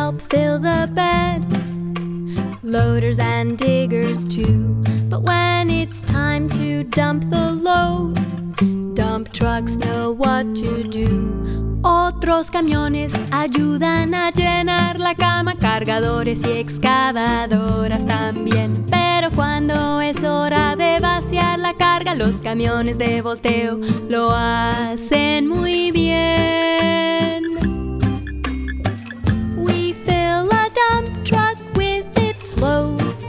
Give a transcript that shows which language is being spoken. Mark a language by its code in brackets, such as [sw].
[en] Fill the bed, loaders and diggers too. But when it's time to dump the load, dump trucks know what to do. [es] Otros camiones ayudan a llenar la cama, cargadores y excavadoras también. Pero cuando es hora de vaciar la carga, los camiones de volteo lo hacen muy bien. [en] We fill a dump truck with its load.